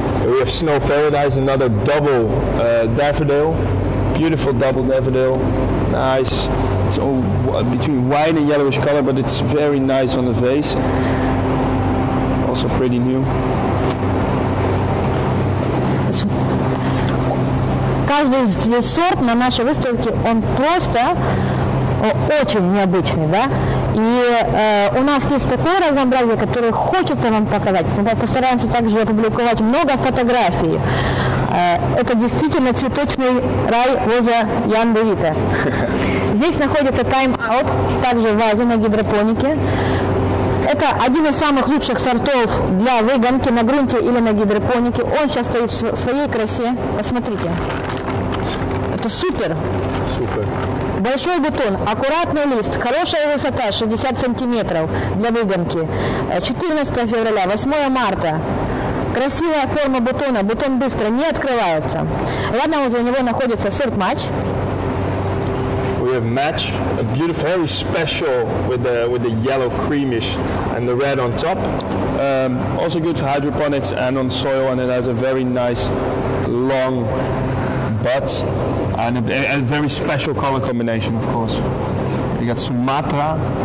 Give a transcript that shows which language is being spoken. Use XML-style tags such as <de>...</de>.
<en>We have Snow Paradise, another double daffodil, beautiful double daffodil, nice, it's all between white and yellowish color, but it's very nice on the face, also pretty new.</en> <ru>Каждый здесь сорт на нашей выставке, он просто очень необычный, да? И у нас есть такое разнообразие, которое хочется вам показать. Мы постараемся также опубликовать много фотографий. Это действительно цветочный рай возле Jan de Witte. Здесь находится тайм-аут, также ваза на гидропонике. Это один из самых лучших сортов для выгонки на грунте или на гидропонике. Он сейчас стоит в своей красе. Посмотрите. Это супер. Супер. Большой бутон, аккуратный лист, хорошая высота 60 сантиметров для выгонки. 14 февраля, 8 марта. Красивая форма бутона, бутон быстро не открывается. Рядом возле него находится сорт Match.</ru> <en>We have Match, a beautiful, very special with the yellow creamish and the red on top. Also good for hydroponics and on soil, and it has a very nice long bud. And a very special color combination, of course. You got Sumatra,</en>